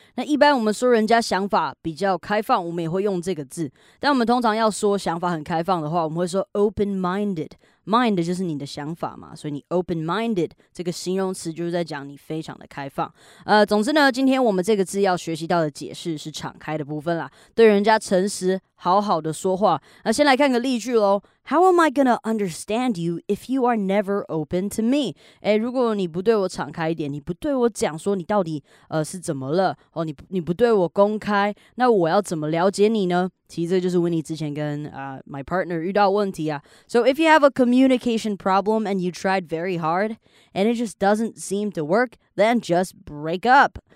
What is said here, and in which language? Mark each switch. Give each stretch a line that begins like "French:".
Chinese: 那一般我们说人家想法比较开放，我们也会用这个字，但我们通常要说想法很开放的话，我们会说 open mindedMind 就是你的想法嘛，所以你 open-minded 这个形容词就是在讲你非常的开放。总之呢，今天我们这个字要学习到的解释是敞开的部分啦，对人家诚实，好好的说话。那先来看个例句咯。
English: How am I gonna understand you if you are never open to me？
Chinese: 诶，如果你不对我敞开一点，你不对我讲说你到底是怎么了，哦，你不对我公开，那我要怎么了解你呢？其实这就是 Winnie 之前跟 my partner 遇到问题啊。
English: So if you have a communication problem and you tried very hard and it just doesn't seem to work, then just break up.